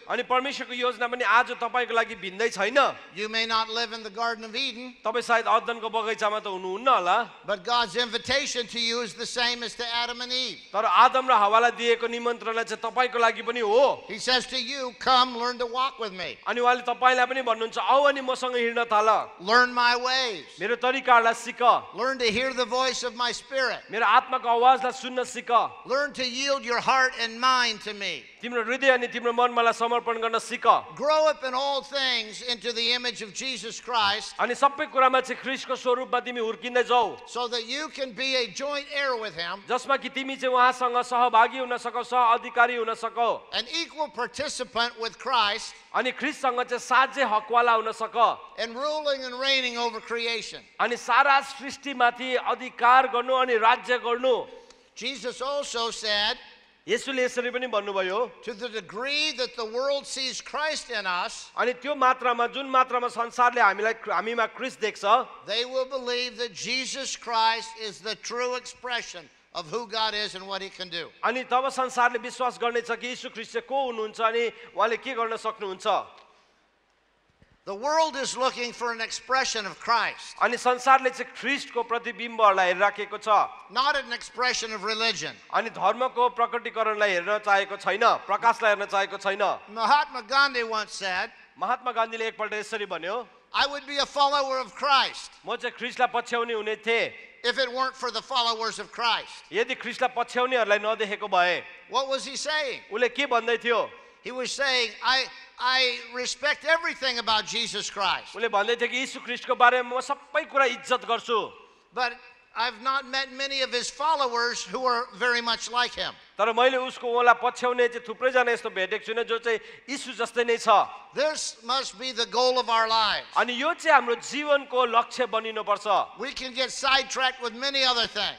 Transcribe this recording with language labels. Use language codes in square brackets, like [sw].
[ne] अनि परमेश्वरको योजना पनि आज तपाईको लागि भिन्दै छैन. [en] You may not live in the Garden of Eden. [ne] तपाई सायद अदनको बगैँचामा त हुनुहुन्न होला. [en] But God's invitation to you is the same as to Adam and Eve. [ne] तर आदम र हव्वालाई दिएको निमन्त्रणा चाहिँ तपाईको लागि पनि हो. [en] He says to you, come learn to walk with me. [ne] अनि उहाँले तपाईलाई पनि भन्नुहुन्छ आऊ अनि मसँग हिड्न थाल. [en] Learn my ways. [ne] मेरो तरिकाहरूलाई सिक. [en] Learn to hear the voice of my spirit. [ne] मेरो आत्माको आवाजलाई सुन्न सिक. [en] Learn to yield your heart and mind to me. [ne] तिम्रो हृदय अनि तिम्रो मनलाई समर्पण गर्न सिक. [en] Grow up in all things into the image of Jesus Christ. [ne] अनि सबै कुरामा चाहिँ ख्रीष्टको स्वरूपमा तिमी हुर्किँदै जाऊ. [en] So that you can be a joint heir with him. [ne] जसमा कि तिमी चाहिँ उहाँसँग सहभागी हुन सकौ, सह अधिकारी हुन सकौ. [en] An equal participant with Christ. [ne] अनि ख्रीष्टसँग चाहिँ साझै हकवाला हुन सक. [en] In ruling and reigning over creation. [ne] अनि सारा सृष्टिमाथि अधिकार गर्नु अनि राज्य गर्नु. [en] Jesus also said. [ne] यसुले यसरी पनि भन्नुभयो. [en] To the degree that the world sees Christ in us. [ne] अनि त्यो मात्रामा जुन मात्रामा संसारले हामीलाई हामीमा ख्रीष्ट देख्छ. [en] They will believe that Jesus Christ is the true expression of who God is and what he can do. [ne] अनि तब संसारले विश्वास गर्नेछ कि येशू ख्रीष्ट को हुनुहुन्छ अनि उहाँले के गर्न सक्नुहुन्छ. [en] The world is looking for an expression of Christ. [ne] अनि संसारले चाहिँ ख्रीष्टको प्रतिबिम्बहरूलाई हेरिराखेको छ. [en] Not an expression of religion. [ne] अनि धर्मको प्रकटीकरणलाई हेर्न चाहेको छैन, प्रकाशलाई हेर्न चाहेको छैन. [en] Mahatma Gandhi once said. [ne] Mahatma गान्धीले एकपल्ट यसरी भन्यो. [en] I would be a follower of Christ. [ne] म चाहिँ ख्रीष्टलाई पछ्याउने हुने थिए. [en] If it weren't for the followers of Christ. [ne] यदि ख्रीष्टलाई पछ्याउनेहरूलाई नदेखेको भए. [en] What was he saying? [ne] उले के भन्दै थियो? [en] He was saying, I respect everything about Jesus Christ. [ne] उले भन्दैथ्यो कि येशू ख्रीष्टको बारेमा म सबै कुरा इज्जत गर्छु. [en] But I've not met many of his followers who are very much like him. [ne] तर मैले उसको ओला पछ्याउने चाहिँ थुप्रै जना यस्तो भेटेको छुइनँ जो चाहिँ येशू जस्तै नै छ. [en] This must be the goal of our lives. [ne] अनि यो चाहिँ हाम्रो जीवनको लक्ष्य बनिनु पर्छ. [en] We can get sidetracked with many other things.